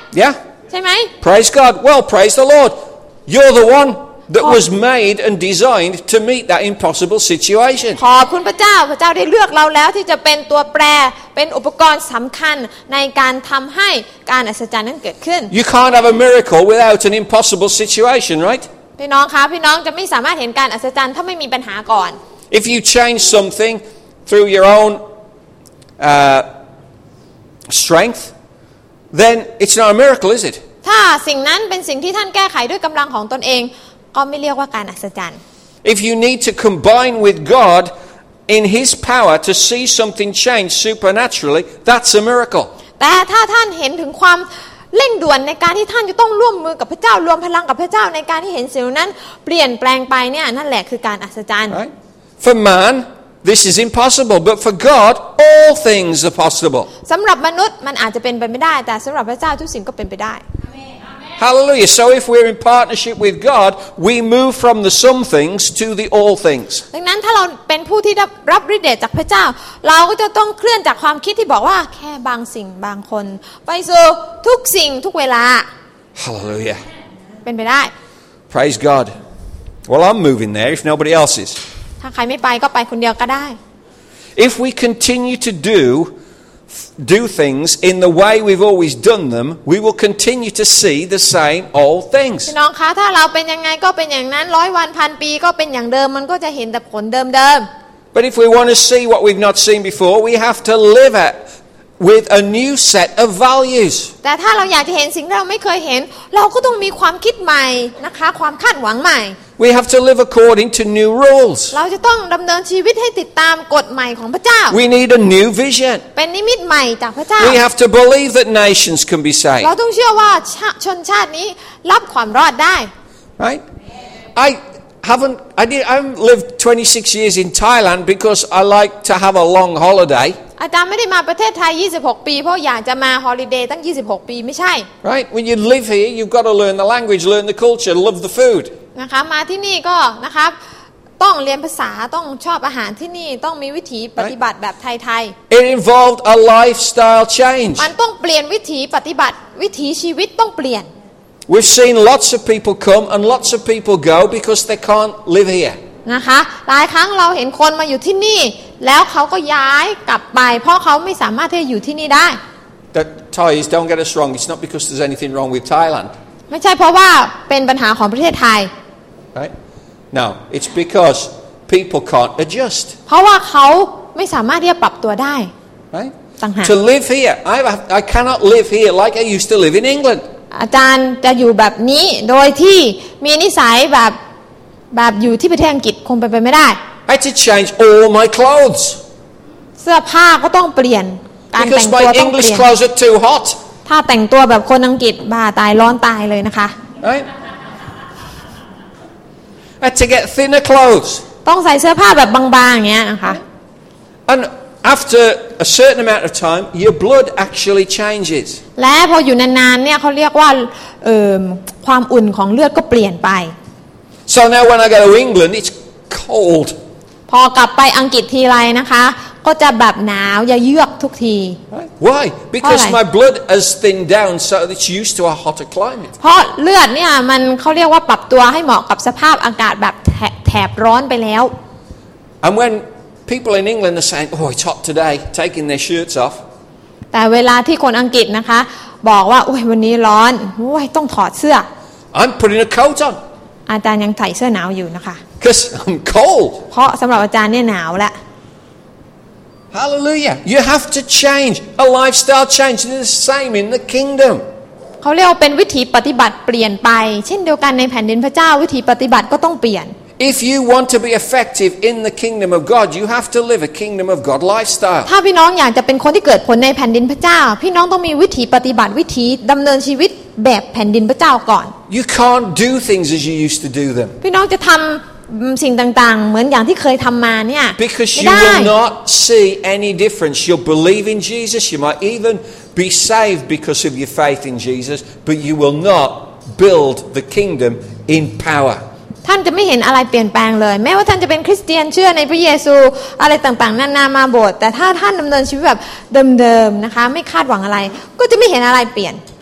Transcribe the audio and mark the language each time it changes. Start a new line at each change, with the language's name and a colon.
English: Yeah
Thai: ใช่มั้ย
English: Praise God well praise the Lord you're the oneThat was made and designed to meet that impossible situation.
Thai: ขอบคุณพระเจ้าพระเจ้าได้เลือกเราแล้วที่จะเป็นตัวแปรเป็นอุปกรณ์สำคัญในการทำให้การอัศจรรย์นั้นเกิดขึ้น
English: You can't have a miracle without an impossible situation, right?
Thai: พี่น้องคะพี่น้องจะไม่สามารถเห็นการอัศจรรย์ถ้าไม่มีปัญหาก่อน
English: If you change something through your own strength, then it's not a miracle, is it?
Thai: ถ้าสิ่งนั้นเป็นสิ่งที่ท่านแก้ไขด้วยกำลังของตนเองก็ไม่เรียกว่าการอัศจรรย์
English: If you need to combine with God in His power to see something change supernaturally, that's a miracle.
Thai: แต่ถ้าท่านเห็นถึงความเร่งด่วนในการที่ท่านจะต้องร่วมมือกับพระเจ้ารวมพลังกับพระเจ้าในการที่เห็นสิ่งนั้นเปลี่ยนแปลงไปเนี่ยนั่นแหละคือการอัศจรรย์
English: Right? For man, this is impossible, but for God, all things are possible.
Thai: สำหรับมนุษย์มันอาจจะเป็นไปไม่ได้แต่สำหรับพระเจ้าทุกสิ่งก็เป็นไปได้
English: Hallelujah. So if we're in partnership with God, we move from the some things to the all things.
Thai: ดังนั้นถ้าเราเป็นผู้ที่ได้รับฤทธิ์เดชจากพระเจ้าเราก็จะต้องเคลื่อนจากความคิดที่บอกว่าแค่บางสิ่งบางคนไปสู่ทุกสิ่งทุกเวลา
English: Hallelujah.
Thai: เป็นไปได้
English: Praise God. Well, I'm moving there if nobody else is.
Thai: ถ้าใครไม่ไปก็ไปคนเดียวก็ได้
English: If we continue to do things in the way we've always done them we will continue to see the same old things
Thai: น้องคะถ้าเราเป็นยังไงก็เป็นอย่างนั้น100วัน1000ปีก็เป็นอย่างเดิมมันก็จะเห็นแต่ผลเดิม
English: ๆ But if we want to see what we've not seen before we have to live it with a new set of values
Thai: แต่ถ้าเราอยากจะเห็นสิ่งที่เราไม่เคยเห็นเราก็ต้องมีความคิดใหม่นะคะความคาดหวังใหม่
English: We have to live according to new rules.
Thai: เราจะต้องดำเนินชีวิตให้ติดตามกฎใหม่ของพระเจ้า
English: We need a new vision.
Thai: เป็นนิมิตใหม่จากพระเจ้า
English: We have to believe that nations can be saved.
Thai: เราต้องเชื่อว่าชนชาตินี้รับความรอดได้
English: Right? I've lived 26 years in Thailand because I like to have a long holiday.
Thai: อาจารย์ไม่ได้มาประเทศไทย26ปีเพราะอยากจะมาฮอลิเดย์ตั้ง26ปีไม่ใช่
English: Right when you live here you've got to learn the language learn the culture love the food
Thai: นะคะมาที่นี่ก็นะครับต้องเรียนภาษาต้องชอบอาหารที่นี่ต้องมีวิถีปฏิบัติแบบไทย
English: ๆ It involved a lifestyle change
Thai: มันต้องเปลี่ยนวิถีปฏิบัติวิถีชีวิตต้องเปลี่ยน
English: We've seen lots of people come and lots of people go because they can't live here
Thai: นะคะหลายครั้งเราเห็นคนมาอยู่ที่นี่แล้วเขาก็ย้ายกลับไปเพราะเขาไม่สามารถที่จะอยู่ที่นี่ได้
English: The Thais don't get us wrong it's not because there's anything wrong with Thailand
Thai: ไม่ใช่เพราะว่าเป็นปัญหาของประเทศไทย
English: Right now it's because people can't adjust
Thai: เพราะว่าเขาไม่สามารถที่จะปรับตัวได้
English: Right
Thai: ต่างหาก
English: To live here I cannot live here like I used to live in England
Thai: อาจารย์จะอยู่แบบนี้โดยที่มีนิสัยแบบอยู่ที่ประเทศอังกฤษคงไปไม่ได้
English: I had to change all my clothes
Thai: เสื้อผ้าก็ต้องเปลี่ยนการแต่งตัวต้องเปลี่ยน
English: Because my English clothes are too hot
Thai: ถ้าแต่งตัวแบบคนอังกฤษบ้าตายร้อนตายเลยนะคะ
English: Right I had to get thinner clothes
Thai: ต้องใส่เสื้อผ้าแบบบางๆเงี้ยนะคะ
English: And after a certain amount of time your blood actually changes
Thai: และพออยู่นานๆเนี่ยเขาเรียกว่าความอุ่นของเลือดก็เปลี่ยนไป
English: So now when I go to England, it's cold.
Thai: พอกลับไปอังกฤษทีไรนะคะก็จะแบบหนาวเยือกทุกที
English: Why? Because my blood has thinned down, so it's used to a hotter climate.
Thai: เพราะเลือดเนี่ยมันเขาเรียกว่าปรับตัวให้เหมาะกับสภาพอากาศแบบแถบร้อนไปแล้ว
English: And when people in England are saying, "Oh, it's hot today," taking their shirts off.
Thai: แต่เวลาที่คนอังกฤษนะคะบอกว่าโอ้ยวันนี้ร้อนโอ้ยต้องถอดเสื้อ
English: I'm putting a coat on.
Thai: อาจารย์ยังใส่เสื้อหนาวอยู่นะคะ
English: Cuz I'm cold
Thai: เพราะสำหรับอาจารย์เนี่ยหนาวละ
English: Hallelujah you have to change a lifestyle change is the same in the kingdom
Thai: เขาเรียกว่าเป็นวิถีปฏิบัติเปลี่ยนไปเช่นเดียวกันในแผ่นดินพระเจ้าวิถีปฏิบัติก็ต้องเปลี่ยน
English: If you want to be effective in the kingdom of God you have to live a kingdom of God lifestyle
Thai: ถ้าพี่น้องอยากจะเป็นคนที่เกิดผลในแผ่นดินพระเจ้าพี่น้องต้องมีวิถีปฏิบัติวิถีดำเนินชีวิตแบบแผ่นดินพระเจ้าก่อน
English: You can't do things as you used to do them
Thai: พี่น้องจะทำสิ่งต่างๆเหมือนอย่างที่เคยทำมาเนี่ย
English: Because you will not see any difference you'll believe in Jesus you might even be saved because of your faith in Jesus but you will not build the kingdom in power
Thai: ท่านจะไม่เห็นอะไรเปลี่ยนแปลงเลยแม้ว่าท่านจะเป็นคริสเตียนเชื่อในพระเยซูอะไรต่างๆนานามาโบสถ์แต่ถ้าท่านดำเนินชีวิตแบบเดิมๆนะคะไม่คาดหวังอะไรก็จะไม่เห็นอะไรเปลี่ยน